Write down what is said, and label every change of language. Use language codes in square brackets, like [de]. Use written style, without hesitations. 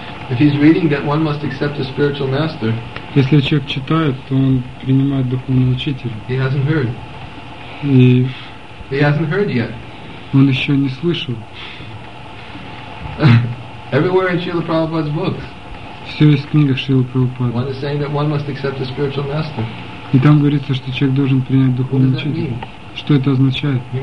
[en] If he's reading, that one must accept a spiritual master. [ru] Если человек читает, то он принимает духовного учителя. [en] He hasn't heard. [ru] И [en] he hasn't heard yet. [ru] Он еще не слышал. [en] Everywhere in Srila Prabhupada's books. [ru] Все есть в книгах Шрилы Прабхупады. [en] One is saying that one must accept a spiritual master. [ru] И там говорится, что человек должен принять духовного учителя. Что это означает?